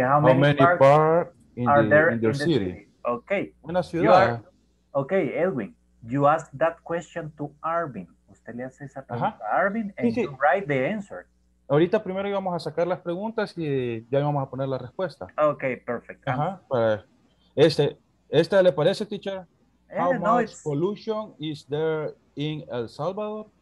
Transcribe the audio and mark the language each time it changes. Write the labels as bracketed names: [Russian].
[English] how many parks are there in the city? Okay. [Spanish] Una ciudad. [English] You are, okay, Edwin, you ask that question to Arvin. [Spanish] Usted le hace esa pregunta a Arvin [English] and you write the answer. [Spanish] Ahorita primero íbamos a sacar las preguntas y ya íbamos a poner la respuesta. Ok, perfecto. ¿Esta le parece, teacher? [English] How much pollution is there in El Salvador?